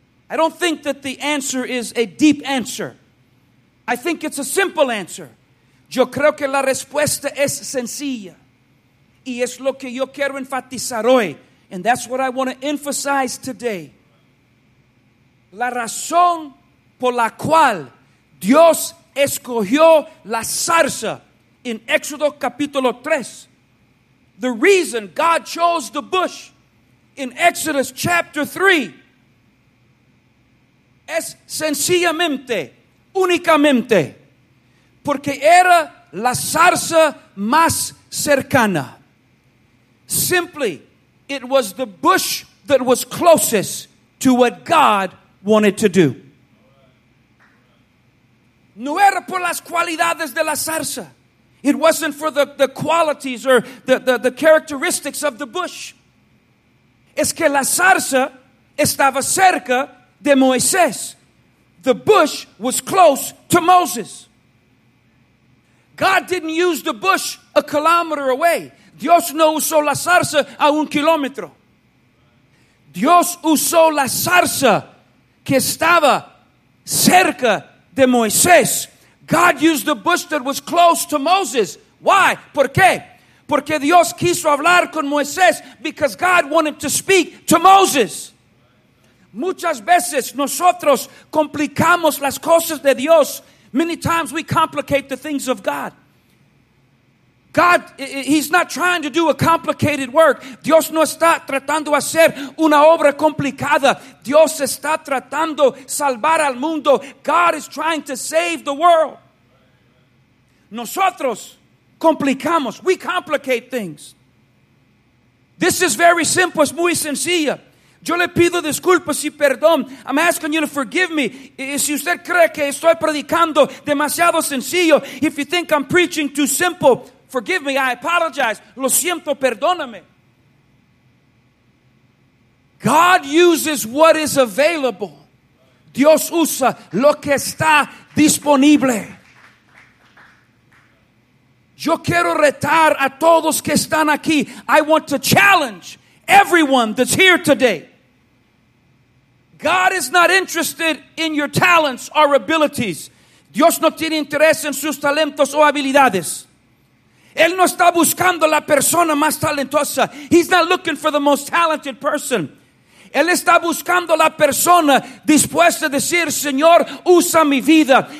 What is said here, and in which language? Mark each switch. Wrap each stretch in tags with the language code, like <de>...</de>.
<en>I don't think that the answer is a deep answer. I think it's a simple answer.</en> <es>Yo creo que la respuesta es sencilla. Y es lo que yo quiero enfatizar hoy.</es> <en>And that's what I want to emphasize today.</en> <es>La razón por la cual Dios escogió la zarza en Éxodo capítulo 3.</es> <en>The reason God chose the bush in Exodus chapter 3</en> <es>es sencillamente, únicamente, porque era la zarza más cercana.</es> <en>Simply, it was the bush that was closest to what God wanted to do.</en> <es>No era por las cualidades de la zarza.</es> <en>It wasn't for the qualities or the characteristics of the bush.</en> <es>Es que la zarza estaba cerca de Moisés.</es> <en>The bush was close to Moses. God didn't use the bush a kilometer away.</en> <es>Dios no usó la zarza a un kilómetro. Dios usó la zarza que estaba cerca de Moisés.</es> <en>God used the bush that was close to Moses. Why?</en> <es>¿Por qué? Porque Dios quiso hablar con Moisés.</es> <en>Because God wanted to speak to Moses.</en> <es>Muchas veces nosotros complicamos las cosas de Dios.</es> <en>Many times we complicate the things of God. God, he's not trying to do a complicated work.</en> <es>Dios no está tratando de hacer una obra complicada. Dios está tratando de salvar al mundo.</es> <en>God is trying to save the world.</en> <es>Nosotros complicamos.</es> <en>We complicate things. This is very simple.</en> <es>Es muy sencilla. Yo le pido disculpas y perdón.</es> <en>I'm asking you to forgive me.</en> <es>Si usted cree que estoy predicando demasiado sencillo,</es> <en>if you think I'm preaching too simple, forgive me, I apologize.</en> <es>Lo siento, perdóname.</es> <en>God uses what is available.</en> <es>Dios usa lo que está disponible. Yo quiero retar a todos que están aquí.</es> <en>I want to challenge everyone that's here today. God is not interested in your talents or abilities.</en> <es>Dios no tiene interés en sus talentos o habilidades. Él no está buscando la persona más talentosa.</es> <en>He's not looking for the most talented person.</en> <es>Él está buscando la persona dispuesta a decir, Señor, usa mi vida.</es>